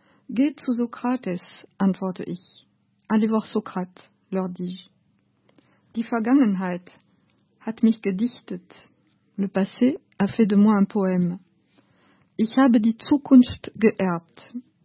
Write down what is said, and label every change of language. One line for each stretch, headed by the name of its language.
German: Geh zu Sokrates, antworte ich.
French: Allez voir Socrate, leur dis-je.
German: Die Vergangenheit hat mich gedichtet.
French: Le passé a fait de moi un poème.
German: Ich habe die Zukunft geerbt.